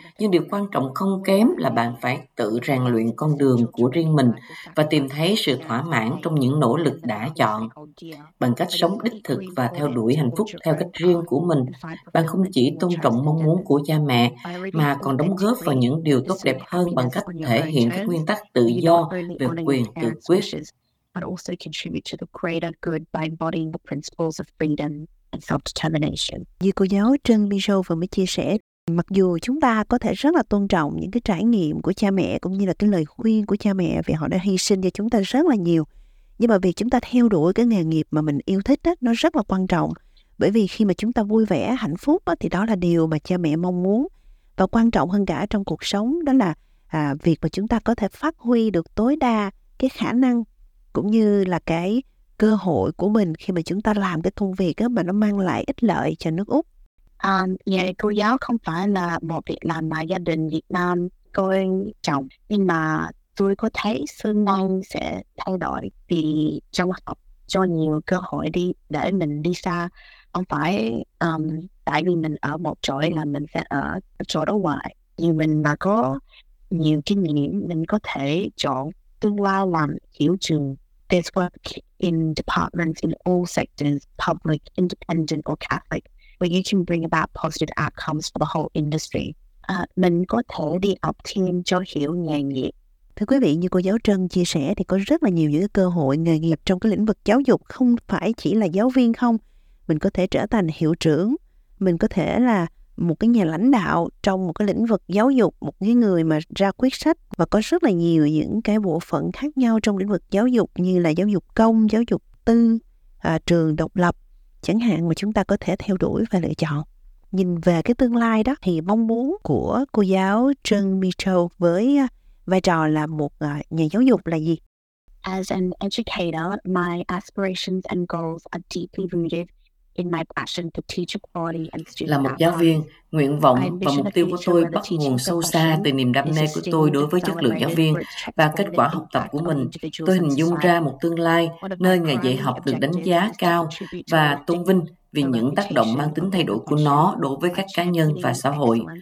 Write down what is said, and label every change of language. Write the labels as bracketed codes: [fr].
[vi] Nhưng điều quan trọng không kém là bạn phải tự rèn luyện con đường của riêng mình và tìm thấy sự thỏa mãn trong những nỗ lực đã chọn. Bằng cách sống đích thực và theo đuổi hạnh phúc theo cách riêng của mình, bạn không chỉ tôn trọng mong muốn của cha mẹ mà còn đóng góp vào những điều tốt đẹp hơn bằng cách thể hiện các nguyên tắc tự do về quyền tự quyết. [en] But also contribute to the greater good by embodying the principles of freedom and self-determination. [vi] Như cô giáo Trân Mitchell vừa mới chia sẻ, mặc dù chúng ta có thể rất là tôn trọng những cái trải nghiệm của cha mẹ cũng như là cái lời khuyên của cha mẹ vì họ đã hy sinh cho chúng ta rất là nhiều. Nhưng mà việc chúng ta theo đuổi cái nghề nghiệp mà mình yêu thích đó, nó rất là quan trọng. Bởi vì khi mà chúng ta vui vẻ, hạnh phúc đó, thì đó là điều mà cha mẹ mong muốn. Và quan trọng hơn cả trong cuộc sống đó là việc mà chúng ta có thể phát huy được tối đa cái khả năng cũng như là cái cơ hội của mình khi mà chúng ta làm cái công việc á mà nó mang lại ích lợi cho nước Úc. Cô giáo không phải là một việc làm mà gia đình Việt Nam coi trọng, nhưng mà tôi có thấy sự mong sẽ thay đổi vì trong học cho nhiều cơ hội đi để mình đi xa, không phải tại vì mình ở một chỗ là mình sẽ ở chỗ đó hoài. Nhưng mình mà có nhiều kinh nghiệm, mình có thể chọn tương lai làm hiệu trưởng. [en] There's work in departments in all sectors, public, independent or Catholic, where you can bring about positive outcomes for the whole industry. [vi] Mình có thể đi học thêm cho hiểu nghề nghiệp. Thưa quý vị, như cô giáo Trân chia sẻ thì có rất là nhiều những cơ hội nghề nghiệp trong cái lĩnh vực giáo dục, không phải chỉ là giáo viên không. Mình có thể trở thành hiệu trưởng, mình có thể là một cái nhà lãnh đạo trong một cái lĩnh vực giáo dục, một cái người mà ra quyết sách và có rất là nhiều những cái bộ phận khác nhau trong lĩnh vực giáo dục như là giáo dục công, giáo dục tư, trường độc lập chẳng hạn mà chúng ta có thể theo đuổi và lựa chọn. Nhìn về cái tương lai đó thì mong muốn của cô giáo Trân Mitchell với vai trò là một nhà giáo dục là gì? [en] As an educator, my aspirations and goals are deeply rooted in my passion to teach quality and student outcomes. [vi] Là một giáo viên, nguyện vọng và mục tiêu của tôi bắt nguồn sâu xa từ niềm đam mê của tôi đối với chất lượng giáo viên và kết quả học tập của mình. Tôi hình dung ra một tương lai nơi ngành dạy học được đánh giá cao và tôn vinh vì những tác động mang tính thay đổi của nó đối với các cá nhân và xã hội.